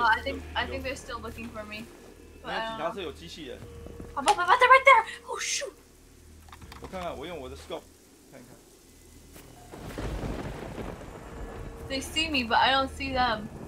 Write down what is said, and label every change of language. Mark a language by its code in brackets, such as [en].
[en] Oh, I think they're still looking for me. [zh] 警察是有机器人。好吧，， [en] right there。Oh shoot。 [zh] 我看看，我用我的 scope 看一看。 [en] They see me, but I don't see them.